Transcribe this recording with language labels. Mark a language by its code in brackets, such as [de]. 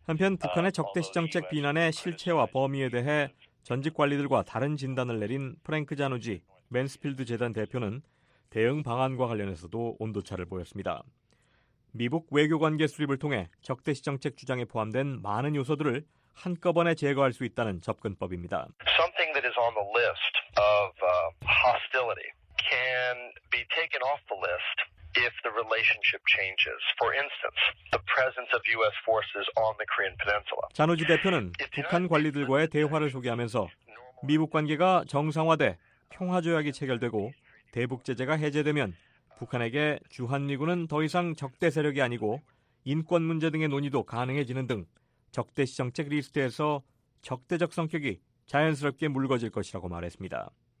[ko] 한편 북한의 적대시 정책 비난의 실체와 범위에 대해 전직 관리들과 다른 진단을 내린 프랭크 자누지 맨스필드 재단 대표는 대응 방안과 관련해서도 온도차를 보였습니다. 미북 외교관계 수립을 통해 적대시 정책 주장에 포함된 많은 요소들을 한꺼번에 제거할 수 있다는 접근법입니다. [en] Something that is on the list of hostility can be taken off the list if the relationship changes. For instance, the presence of U.S. forces on the Korean Peninsula. [ko] 자누지 대표는 북한 관리들과의 대화를 소개하면서 미북 관계가 정상화돼 평화 조약이 체결되고 대북 제재가 해제되면 북한에게 주한미군은 더 이상 적대 세력이 아니고 인권 문제 등의 논의도 가능해지는 등 적대시 정책 리스트에서 적대적 성격이 자연스럽게 묽어질 것이라고 말했습니다.